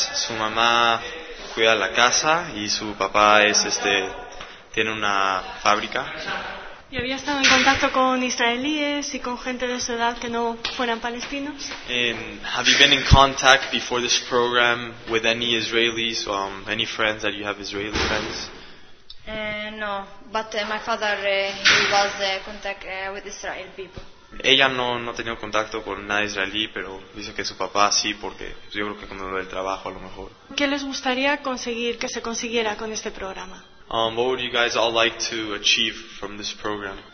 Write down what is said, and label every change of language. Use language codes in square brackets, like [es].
[es] Su mamá cuida la casa y su papá tiene una fábrica. ¿Y había estado en contacto con israelíes y con gente de su edad que no fueran palestinos? [en] Have you been in contact before this program with any Israelis, any friends that you have, Israeli friends? No, but my father he was in contact with Israel people. [es] Ella no ha tenido contacto con nada israelí, pero dice que su papá sí, porque yo creo que con el trabajo a lo mejor. ¿Qué les gustaría conseguir que se consiguiera con este programa? [en] What would you guys all like to achieve from this program?